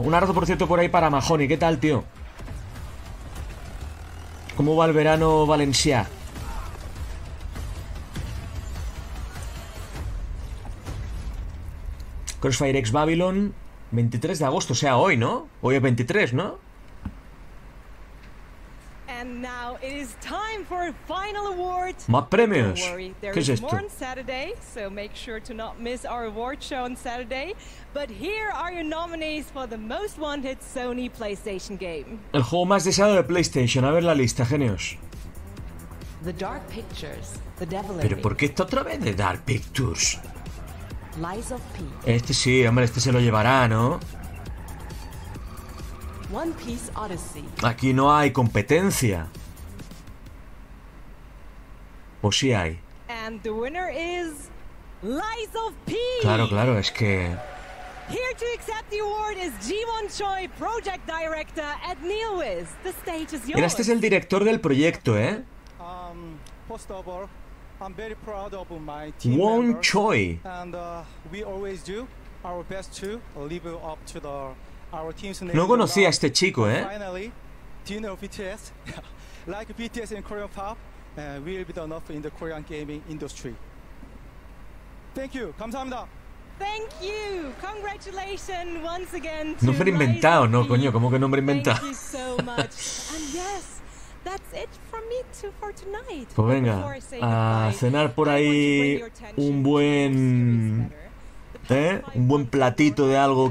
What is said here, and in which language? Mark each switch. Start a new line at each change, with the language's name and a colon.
Spanish: Un abrazo, por cierto, por ahí para Mahoney. ¿Qué tal, tío? ¿Cómo va el verano Valencia? Crossfire X Babylon, 23 de agosto, o sea, hoy, ¿no? Hoy es 23, ¿no?
English: And now it is time for a final award.
Spanish: Más premios. ¿Qué es esto?
English: Saturday, so make sure to not miss our award show on Saturday. But here are your nominees for the most wanted Sony PlayStation game.
Spanish: El juego más deseado de PlayStation. A ver la lista, genios.
English: The Dark Pictures, The Devil.
Spanish: Pero ¿por qué está otra vez de Dark Pictures?
English: Lies of P.
Spanish: Este sí, hombre, este se lo llevará, ¿no? One Piece Odyssey. Aquí no hay competencia. ¿O sí hay?
English: And the winner is Lies of P.
Spanish: Claro, claro, es que
English: here to accept the award is Jiwon Choi, project director at Neowiz. The stage is yours.
Spanish: Mira, este es el director del proyecto, ¿eh?
English: First of all, I'm very proud of my team. Jiwon Choi. And we always do our best to live up to the our team's name.
Spanish: No conocía a este chico, ¿eh?
English: Finally, do you know BTS? Like BTS in Korean pop, we'll be the enough in the Korean gaming industry. Thank you.
Korean: 감사합니다.
English: Thank you. Congratulations once again.
Spanish: Nombre inventado, no, coño, ¿cómo que nombre inventado?
English: Thank you so much. And yes, that's it from me too for tonight.
Spanish: Pues venga, a cenar por ahí un buen un buen platito de algo.